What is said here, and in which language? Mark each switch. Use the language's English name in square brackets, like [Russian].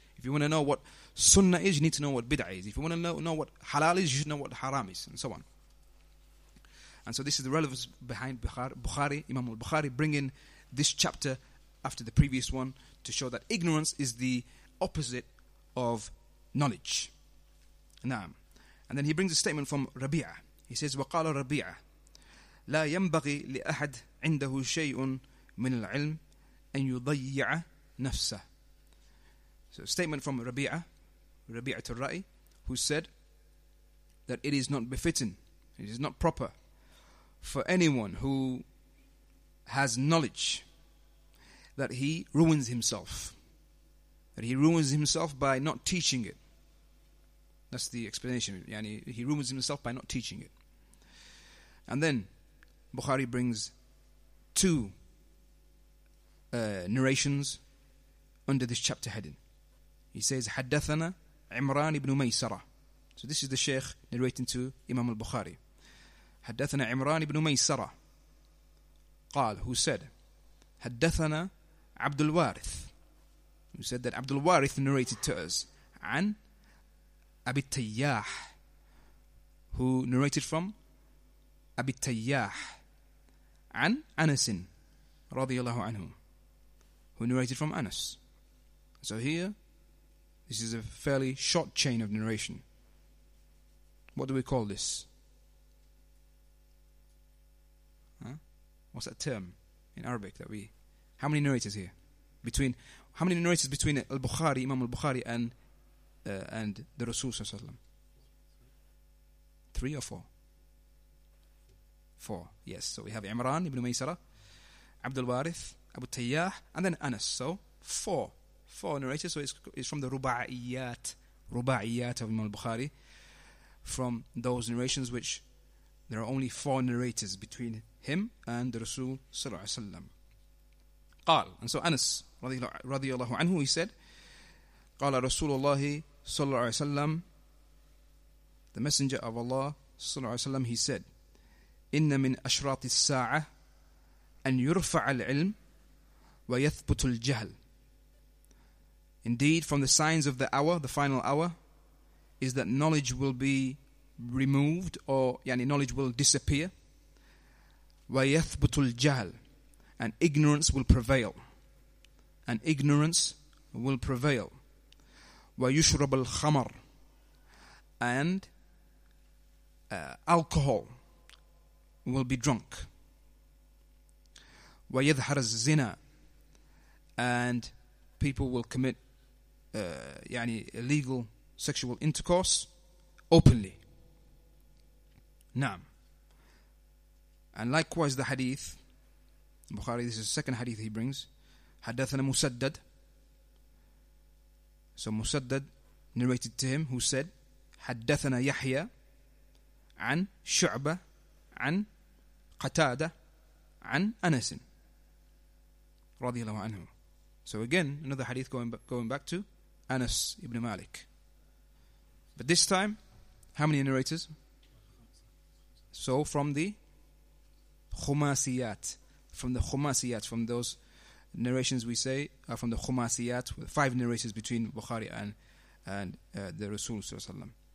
[English] If you want to know what Sunnah is, you need to know what Bid'ah is. If you want to know what Halal is, you should know what Haram is, and so on. And so this is the relevance behind Bukhari, Imam al-Bukhari, bringing this chapter after the previous one to show that ignorance is the opposite of knowledge. Naam. And then he brings a statement from Rabi'a. He says, [Arabic] وَقَالَ رَبِيعَ لَا يَنْبَغِي لِأَحَدْ عِنْدَهُ شَيْءٌ مِنَ الْعِلْمِ أَنْ يُضَيِّعَ نَفْسَهُ. [English] So a statement from Rabi'a al-Ra'i, who said that it is not befitting, it is not proper for anyone who has knowledge that he ruins himself. That he ruins himself by not teaching it. That's the explanation. Yani he ruins himself by not teaching it. And then Bukhari brings two narrations under this chapter heading. He says, [Arabic] حَدَّثَنَا عِمْرَانِ بْنُ مَيْسَرَةَ. [English] So this is the Shaykh narrating to Imam al-Bukhari. [Arabic] حَدَّثَنَا عِمْرَانِ بْنُ مَيْسَرَةَ قَالْ, [English] who said, [Arabic] حَدَّثَنَا عَبْدُ الْوَارِثِ, [English] who said that Abdul Warith narrated to us, [Arabic] عَنْ أَبِ التَّيَّاحِ, [English] who narrated from [Arabic] أَبِ التَّيَّاحِ, عَنْ أَنَسٍ رَضِيَ اللَّهُ عَنْهُ, [English] who narrated from Anas. So here, this is a fairly short chain of narration. What do we call this? Huh? What's that term in Arabic that we... How many narrators here? How many narrators between al-Bukhari, Imam al-Bukhari, and the Rasul sallallahu alayhi wa sallam? Three or four? Four, yes. So we have Imran ibn Maysara, Abdul Warith, Abu Tayyah, and then Anas. So four. Four narrators, so it's from the Ruba'iyat of Imam al-Bukhari, from those narrations which there are only four narrators between him and the Rasul sallallahu alayhi wa sallam. [Arabic] قال, [English] and so Anas radiallahu anhu, he said, [Arabic] قال رسول الله صلى الله عليه وسلم, [English] the messenger of Allah [Arabic] صلى الله عليه وسلم, [English] he said, [Arabic] إن من أشراط الساعة أن يرفع العلم ويثبت الجهل. [English] Indeed, from the signs of the hour, the final hour, is that knowledge will be removed, or yani knowledge will disappear. [Arabic] وَيَثْبُتُ الْجَهْلِ, [English] and ignorance will prevail. And ignorance will prevail. [Arabic] وَيُشْرَبَ الْخَمَرِ, [English] and alcohol will be drunk. [Arabic] وَيَذْهَرَ الزِّنَا, [English] and people will commit yani illegal sexual intercourse openly. Naam. And likewise the hadith Bukhari, this is the second hadith he brings, [Arabic] حَدَّثَنَا مُسَدَّد. [English] So Musaddad narrated to him, who said, [Arabic] حَدَّثَنَا يَحْيَى عَنْ شُعْبَ عَنْ قَتَادَ عَنْ أَنَسٍ رَضِيَ اللَّهُ عَنْهُ. [English] So again, another hadith going back to Anas ibn Malik. But this time, how many narrators? So from the Khumasiyat. From those narrations we say, are from the Khumasiyat, five narrators between Bukhari and the Rasul Sallallahu Alaihi Wasallam.